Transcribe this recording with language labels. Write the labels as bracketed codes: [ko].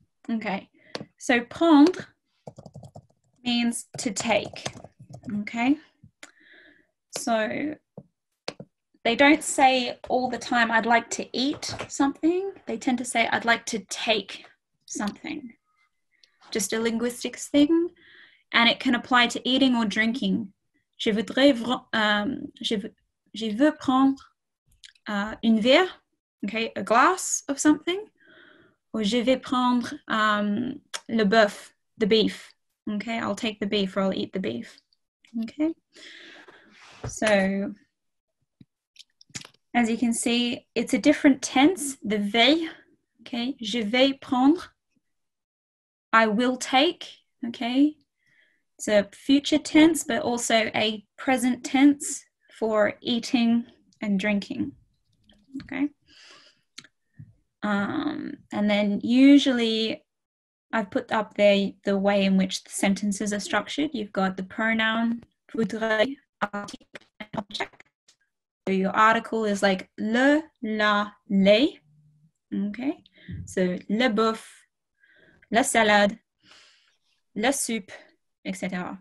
[en] Okay, so prendre means to take, okay? So they don't say all the time, I'd like to eat something. They tend to say, I'd like to take something. Just a linguistics thing. And it can apply to eating or drinking. [fr] Je voudrais, je veux prendre une verre, okay, [en] a glass of something. [fr] Or je vais prendre le bœuf, [en] the beef. Okay, I'll take the beef or I'll eat the beef. Okay. So, as you can see, it's a different tense, the vais, okay, [fr] je vais prendre, [en] I will take, okay, it's a future tense, but also a present tense for eating and drinking, okay, and then usually I've put up there the way in which the sentences are structured. You've got the pronoun, voudrais, object. So your article is like le, la, les, okay? [fr] So le bœuf, la salade, la soupe, etc.